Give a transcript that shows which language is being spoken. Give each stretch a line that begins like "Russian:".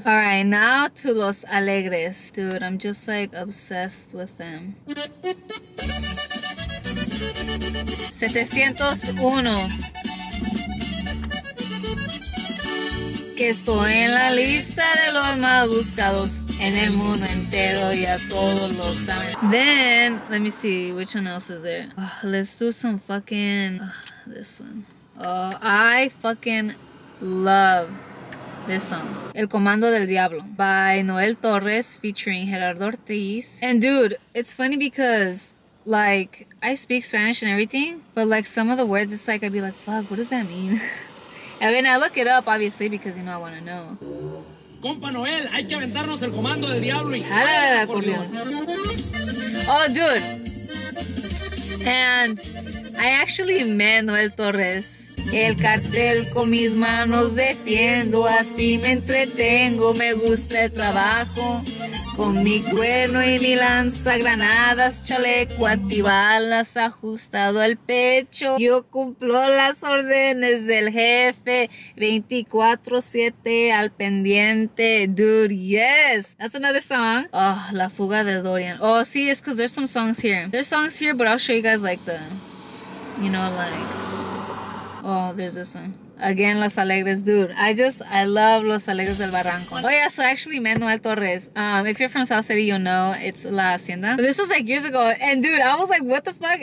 English: All right, now to Los Alegres. Dude, I'm just like obsessed with them. 701.
Spanish: Que estoy en la lista de los más buscados en el mundo entero, ya todos lo saben.
English: Then, let me see, which one else is there? Let's do some fucking... this one. I fucking love this song. El Comando del Diablo by Noel Torres featuring Gerardo Ortiz. And dude, it's funny because like I speak Spanish and everything, but like some of the words, it's like I'd be like, fuck, what does that mean? I mean, I look it up obviously because you know I want to know.
Spanish: Compa Noel, hay que aventarnos El Comando del Diablo y jala el acordeón.
English: Oh, dude. And I actually met Noel Torres.
Spanish: El cartel con mis manos defiendo, así me entretengo, me gusta el trabajo. Con mi cuerno y mi lanza, granadas, chaleco, antibalas, ajustado al pecho. Yo cumplo las órdenes del jefe, 24-7 al pendiente.
English: Dude, yes. That's another song. Oh, La Fuga de Dorian. Oh, sí, it's because there's some songs here. There's songs here, but I'll show you guys like the, you know, like... oh, there's this one. Again, Los Alegres, dude. I love Los Alegres del Barranco. Oh yeah, so actually met Noel Torres. If you're from South City, you'll know it's La Hacienda. But this was like years ago, and dude, I was like, what the fuck?